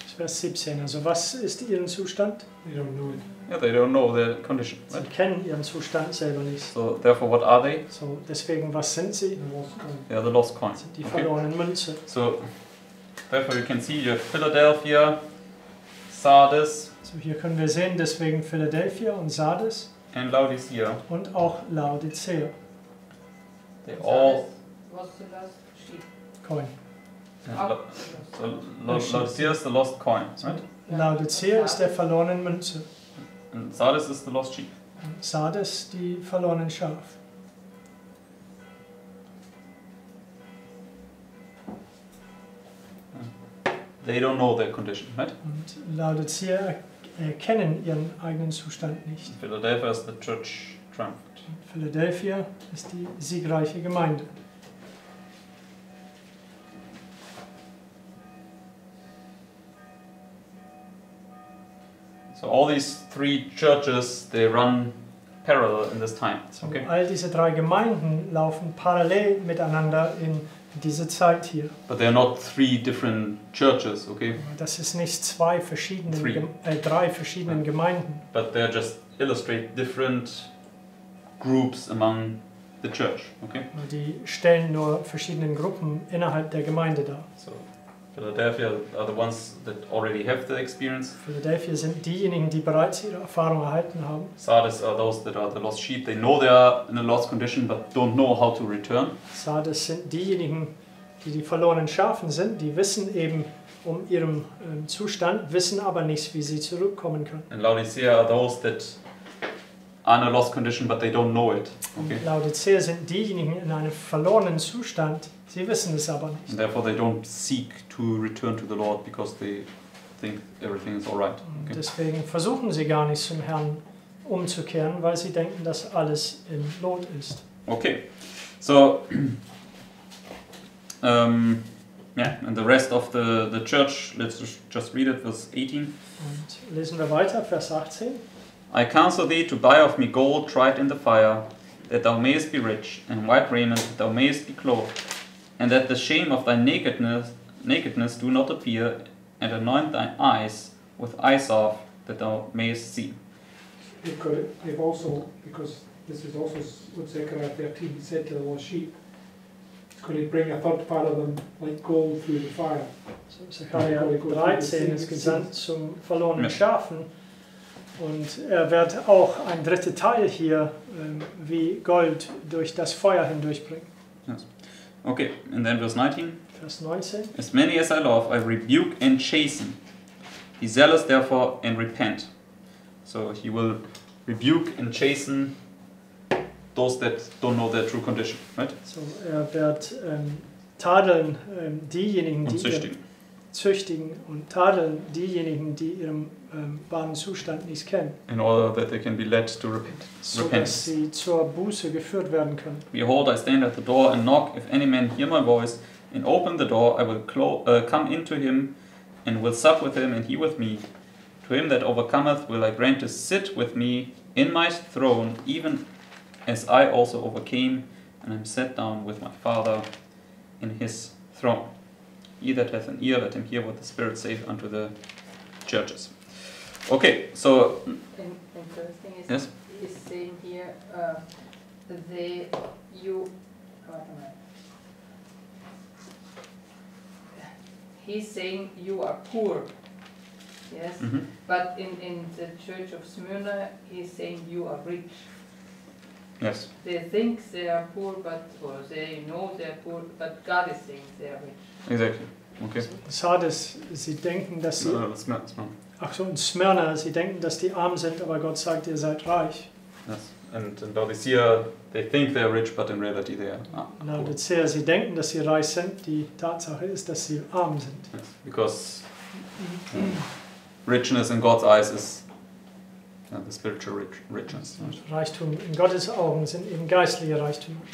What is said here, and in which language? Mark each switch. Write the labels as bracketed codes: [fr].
[de] Vers 17. Also, was ist ihren Zustand? [en] They don't know it. Yeah, they don't know their condition. Right? [de] Sie kennen ihren Zustand selber nicht. [en] So, therefore, what are they? [de] So, deswegen, was sind sie? [en] The lost coin. Yeah, the lost coin. [de] Sind die verlorenen Münze. [en] So, therefore, you can see your Philadelphia, Sardis. [de] So, hier können wir sehen, deswegen Philadelphia und Sardis. [en] And Laodicea. [de] Und auch Laodicea. [en] They [de] und [en] Sardis, all. Was Coin. So, Laodicea is the lost coin, right? [de] Laodicea ist der verlorenen Münze. [en] And Sardis is the lost sheep. [de] Sardis, die verlorenen Schaf. [en] They don't know their condition, right? [de] Und Laodicea erkennen ihren eigenen Zustand nicht. [en] Philadelphia is the church triumphant. [de] Philadelphia ist die siegreiche Gemeinde. [en] So all these three churches, they run parallel in this time. Okay. [de] All diese drei Gemeinden laufen parallel miteinander in diese Zeit hier. [en] But they are not three different churches, okay? [de] Das ist nicht zwei verschiedene drei verschiedenen right. Gemeinden. [en] But they just illustrate different groups among the church, okay? [de] Die stellen nur verschiedenen Gruppen innerhalb der Gemeinde dar. [en] So. Philadelphia are the ones that already have the experience. [de] Philadelphia sind diejenigen, die bereits ihre Erfahrung erhalten haben. [en] Sardis are those that are the lost sheep. They know they are in a lost condition, but don't know how to return. [de] Sardis sind diejenigen, die die verlorenen Schafen sind. Die wissen eben um ihren Zustand, wissen aber nicht, wie sie zurückkommen können. [en] And Laodicea are those that are in a lost condition, but they don't know it. Okay. [de] Und Laodicea sind diejenigen in einem verlorenen Zustand. Sie wissen es aber nicht. [en] And therefore they don't seek to return to the Lord because they think everything is all right. Okay. [de] Deswegen versuchen sie gar nicht zum Herrn umzukehren, weil sie denken, dass alles im Lot ist. [en] Okay. So and the rest of the church, let's just read it, verse 18. [de] Und lesen wir weiter, Vers 18. [en] I counsel thee to buy of me gold tried in the fire, that thou mayest be rich, and white raiment, that thou mayest be clothed. And that the shame of thy nakedness do not appear, and anoint thine eyes with eyesalve, that thou mayest see. They've also, because this is also what Zechariah 13 said to the lost sheep, could he bring a third part of them like gold through the fire? [de] So Zechariah 13 ist gesandt zum verlorenen Schafen, und wird auch ein dritter Teil hier wie Gold durch das Feuer hindurchbringen. [en] Yes. Okay, and then verse 19. [de] Vers 19. [en] As many as I love, I rebuke and chasten. Be zealous therefore and repent. So he will rebuke and chasten those that don't know their true condition, right? [de] So wird tadeln diejenigen, und die züchtigen und tadeln diejenigen, die ihren wahren Zustand nicht kennen. [en] In order that they can be led to repent. [de] So dass sie zur Buße geführt werden können. [en] Behold, I stand at the door and knock. If any man hear my voice and open the door, I will come into him and will sup with him and he with me. To him that overcometh will I grant to sit with me in my throne, even as I also overcame and am set down with my Father in his throne. He that hath an ear, let him hear what the Spirit saith unto the churches. Okay, so... And the thing is, yes? He's saying here, you... he's saying you are poor. Yes. Mm-hmm. But in the Church of Smyrna, he's saying you are rich. Yes. They think they are poor, but or they know they are poor, but God is saying they are rich. Exactly. Okay. [de] Sardis, sie denken, dass sie. Ach so, in Smyrna, sie denken, dass die arm sind, aber Gott sagt, ihr seid reich. [en] Yes, and in Laodicea, they think they are rich, but in reality they are poor. [de] Laodicea, sie denken, dass sie reich sind, die Tatsache ist, dass sie arm sind. [en] Yes, because richness in God's eyes is the spiritual richness. Right? [de] Reichtum in Gottes Augen sind eben geistliche Reichtum.